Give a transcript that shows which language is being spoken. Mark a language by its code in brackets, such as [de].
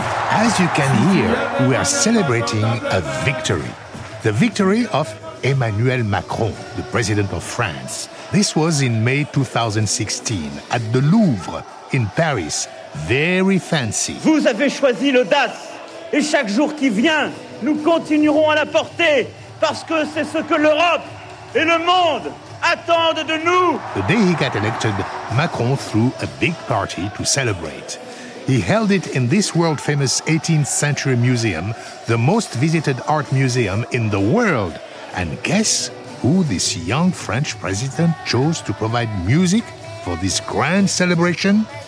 [en] As you can hear, we are celebrating a victory. The victory of Emmanuel Macron, the president of France. This was in May 2016 at the Louvre in Paris. Very fancy. [fr] Vous avez choisi l'audace, et chaque jour qui vient, nous continuerons à la porter, parce que c'est ce que l'Europe et le monde attendent de nous. [en] The day he got elected, Macron threw a big party to celebrate. He held it in this world-famous 18th century museum, the most visited art museum in the world. And guess who this young French president chose to provide music for this grand celebration?